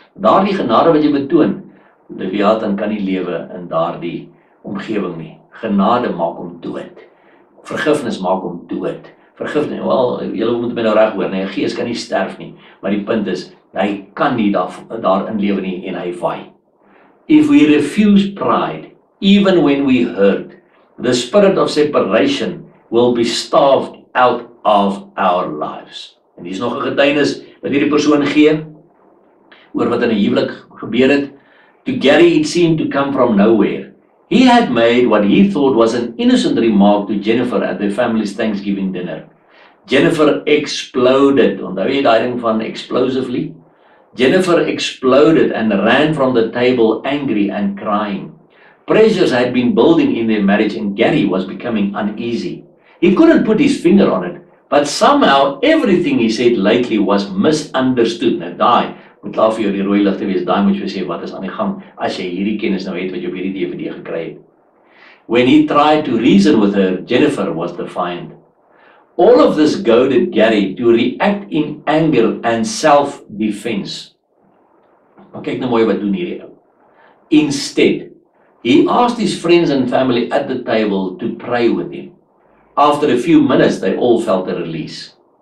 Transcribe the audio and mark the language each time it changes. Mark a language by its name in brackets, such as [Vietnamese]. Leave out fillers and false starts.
[Afrikaans] Daardie genade wat jy betoon, Leviathan kan nie lewe in daardie omgewing nie. Genade maak hom dood. Vergifnis maak hom dood. Vergifnis, wel, julle moet my nou reg hoor, nee, gees kan nie sterf nie. Maar die punt is, hy kan nie daarin lewe nie en hy vaai. [English] If we refuse pride, even when we hurt, the spirit of separation will be starved out of our lives. [Afrikaans] En hier is nog 'n getuienis wat hierdie persoon gee, oor wat in 'n huwelik gebeur het. [English] To Gary it seemed to come from nowhere. He had made what he thought was an innocent remark to Jennifer at their family's Thanksgiving dinner. Jennifer exploded. [Afrikaans] Onthou jy die ding van explosively? [English] Jennifer exploded and ran from the table angry and crying. Pressures had been building in their marriage and Gary was becoming uneasy. He couldn't put his finger on it, but somehow everything he said lately was misunderstood. [Afrikaans] Nou daai, moet klaar vir jou die rooi ligte wees, daai moet jy sê wat is aan die gang as jy hierdie kennis nou het wat jy op hierdie DVD gekry het. [English] When he tried to reason with her, Jennifer was defiant. All of this goaded Gary to react in anger and self-defense. [Afrikaans] Maar kyk nou mooi wat doen hierdie ou. [English] Instead, he asked his friends and family at the table to pray with him. After a few minutes, they all felt a release.